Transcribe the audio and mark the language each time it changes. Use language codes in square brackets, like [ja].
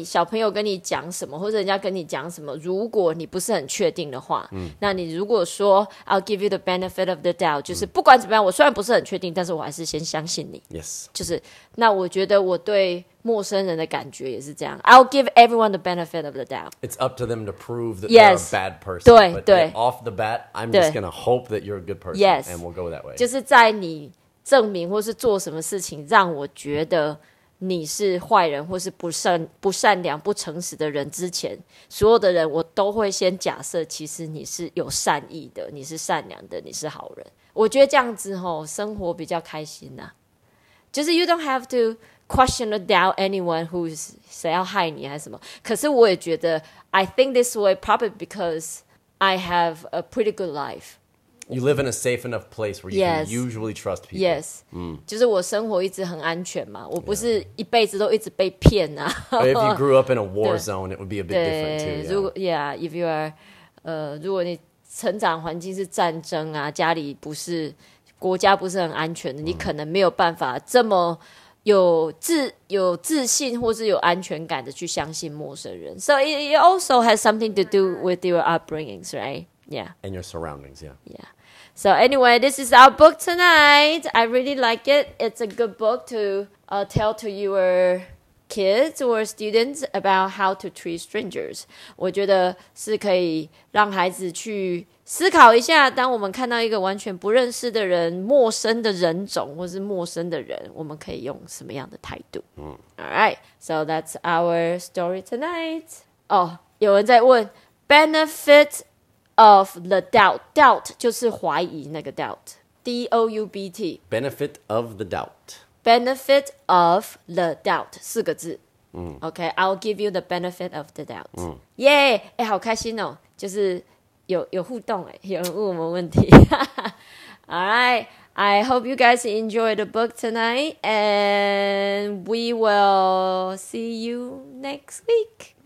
[zh] 所以当你小朋友跟你讲什么 或者人家跟你讲什么 如果你不是很确定的话 那你如果说 [en] I'll give you the benefit of the doubt [zh] 就是不管怎么样 我虽然不是很确定 但是我还是先相信你 [en] Yes [zh] 就是那我觉得我对陌生人的感觉也是这样 [en] I'll give everyone the benefit of the doubt It's up to them to prove that yes. they're a bad person [zh] 对, [en] But [zh] 对, [en] off the bat I'm [zh] 对, [en] just going to hope that you're a good person yes. And we'll go that way [zh] 就是在你证明或是做什么事情让我觉得你是坏人或是不善良不诚实的人之前，所有的人我都会先假设其实你是有善意的，你是善良的，你是好人。我觉得这样子吼生活比较开心啊，就是 [en] you don't have to question or doubt anyone who's [zh] 谁要害你还是什么。可是我也觉得 [en] I think this way probably because I have a pretty good life. You live in a safe enough place where you yes. can usually trust people. Yes.、Mm. [zh] 就是我生活一直很安全嘛，我不是一辈子都一直被骗啊。 [en] But if you grew up in a war zone, it would be a bit different too. Yeah. If you are, [zh] 如果你成长环境是战争啊，家里不是国家不是很安全的，你可能没有办法这么有自信或是有安全感的去相信陌生人。 [en] So it also has something to do with your upbringings, right? Yeah. And your surroundings, yeah. Yeah. So anyway, this is our book tonight. I really like it. It's a good book to tell to your kids or students about how to treat strangers. [zh] 我觉得是可以让孩子去思考一下，当我们看到一个完全不认识的人，陌生的人种，或是陌生的人，我们可以用什么样的态度。 [en] All right, so that's our story tonight. [zh] 有人在问 [en] benefit of the doubt. [zh] Doubt 就是怀疑那个 doubt. D-O-U-B-T. [en] Benefit of the doubt. Benefit of the doubt, 四个字。 Okay, I'll give you the benefit of the doubt. Yay! [zh] 好开心哦，就是有互动耶，有人问我们问题。 [en] Alright, I hope you guys enjoy the book tonight, and we will see you next week.